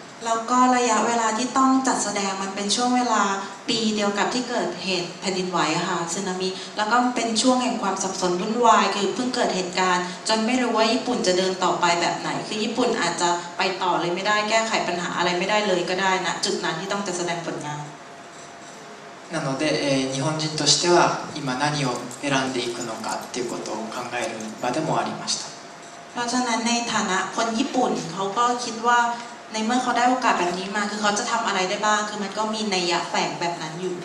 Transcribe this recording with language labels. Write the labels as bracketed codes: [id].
[th] แล้วก็ระยะเวลาที่ต้องจัดแสดงมันเป็นช่วงเวลาปีเดียวกับที่เกิดเหตุแผ่นดินไหวค่ะสึนามิแล้วก็เป็นช่วงแห่งความสับสนวุ่นวายคือเพิ่งเกิดเหตุการณ์จนไม่รู้ว่าญี่ปุ่นจะเดินต่อไปแบบไหนคือญี่ปุ่นอาจจะไปต่อเลยไม่ได้แก้ไขปัญหาอะไรไม่ได้เลยก็ได้นะจุดนั้นที่ต้องจัดแสดงผลงาน [ja] なので日本人としては今何を選んでいくのかっていうことを考える場でもありました [th] เพราะฉะนั้นในฐานะคนญี่ปุ่นเขาก็คิดว่าในเมื่อเขาได้โอกาสแบบนี้มาคือเขาจะทำอะไรได้บ้างคือมันก็มีนัยยะแฝงแบบนั้นอยู